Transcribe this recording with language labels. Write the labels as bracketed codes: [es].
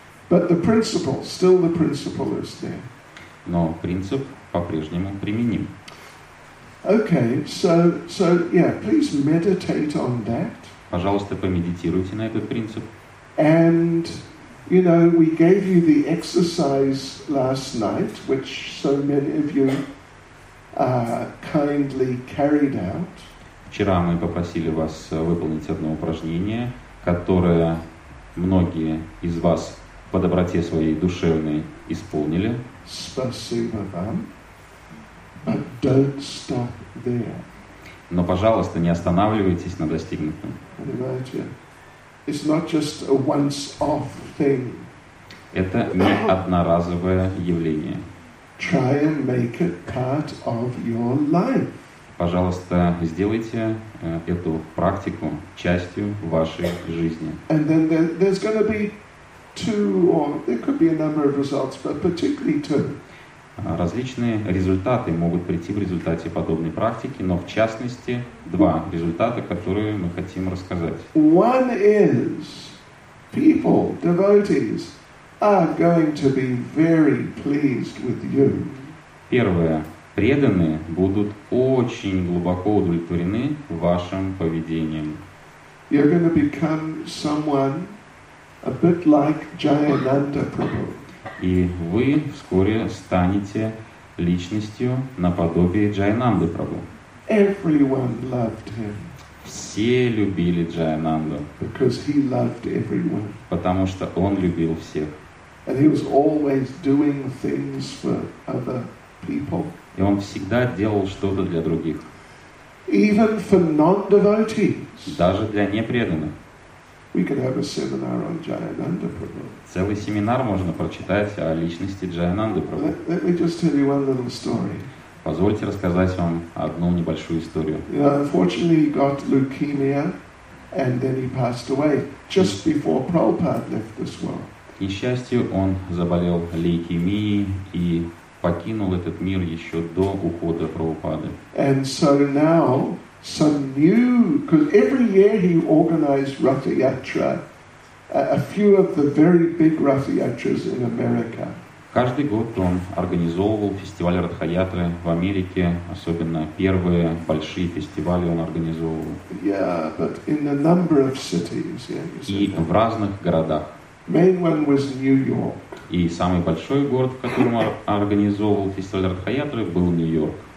[en] But the principle, still the principle is there. [ru] Но принцип по-прежнему применим. [en] Okay, so yeah, please meditate on that. [ru] Пожалуйста, помедитируйте на этот принцип. [en] And you know, we gave you the exercise last night, which so many of you kindly carried out. [ru] Вчера мы попросили вас выполнить одно упражнение, которое многие из вас по доброте своей душевной исполнили. Спасибо вам. [en] But don't stop there. [ru] Но, пожалуйста, не останавливайтесь на достигнутом. Понимаете? [en] It's not just a once-off thing. [ru] Это не одноразовое явление. [en] Try and make it part of your life. [ru] Пожалуйста, сделайте эту практику частью вашей жизни. [en] And then there's going to be two, or there could be a number of results, but particularly two. [ru] Различные результаты могут прийти в результате подобной практики, но в частности два результата, которые мы хотим рассказать. [en] One is, people, devotees, are going to be very pleased with you. [ru] Первое. Преданные будут очень глубоко удовлетворены вашим поведением. [en] You're going to become someone a bit like Jayananda Prabhu. [ru] И вы вскоре станете личностью наподобие Джайананды Прабху. [en] Everyone loved him. [ru] Все любили Джайананду. [en] Because he loved everyone. [ru] Потому что он любил всех. [en] And he was always doing things for other people. [ru] И он всегда делал что-то для других. [en] Even for non-devotees. [ru] Даже для непреданных. [en] We could have a seminar on Jayananda Prabhu. [ru] Целый семинар можно прочитать о личности Джайананды Прабху. [en] Let me just tell you one little story. [ru] Позвольте рассказать вам одну небольшую историю. [en] You know, unfortunately, he got leukemia, and then he passed away just before Prabhupada left this world. [ru] К несчастью, он заболел лейкемией и покинул этот мир еще до ухода Прабхупады. [en] And so now. Some new, because every year he organized Rath Yatra, a few of the very big Rath Yatras in America. [ru] Каждый год он организовывал фестиваль Ратха Ятры в Америке, особенно первые большие фестивали он организовывал. [en] Yeah, but in a number of cities. [ru] И в разных городах. [en] Main one was New York. [ru] И самый большой город, в котором организовывал фестиваль Ратха Ятры, был Нью-Йорк.